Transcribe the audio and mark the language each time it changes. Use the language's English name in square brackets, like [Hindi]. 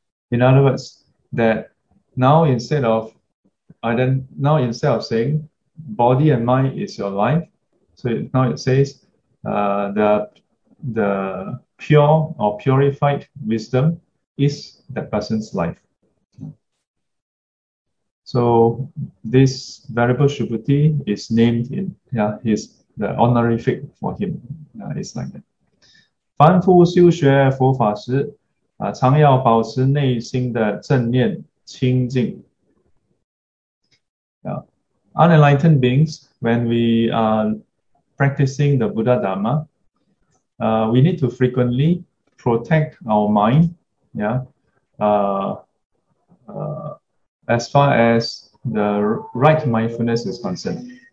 [English] In other words, that now instead of saying body and mind is your life, so now it says the pure or purified wisdom is that person's life. So this Venerable Subhuti is named in his the honorific for him. It's like that. [Chinese] 凡夫修学佛法时 常要保持内心的正念清净. [English] Unenlightened beings, when we are practicing the Buddha Dharma, we need to frequently protect our mind. As far as the right mindfulness is concerned.